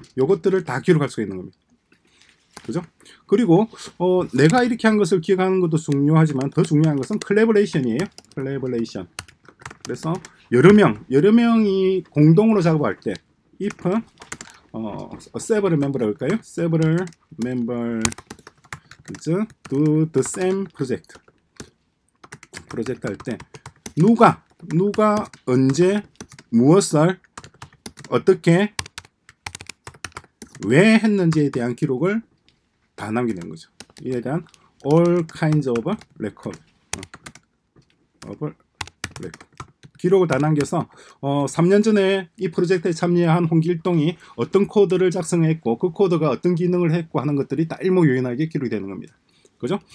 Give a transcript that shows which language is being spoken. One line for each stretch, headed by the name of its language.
Korean: 요것들을 다 기록할 수 있는 겁니다. 그죠? 그리고 내가 이렇게 한 것을 기억하는 것도 중요하지만 더 중요한 것은 콜라보레이션이에요. 콜라보레이션. 그래서 여러 명이 공동으로 작업할 때
English: if several member
Korean: 할까요?
English: several members do the same project.
Korean: 프로젝트 할 때 누가 언제 무엇을 어떻게 왜 했는지에 대한 기록을 다 남기는 거죠. 이에 대한
English: all kinds of record. of record.
Korean: 기록을 다 남겨서 3년 전에 이 프로젝트에 참여한 홍길동이 어떤 코드를 작성했고 그 코드가 어떤 기능을 했고 하는 것들이 다 일목요연하게 기록이 되는 겁니다. 그죠?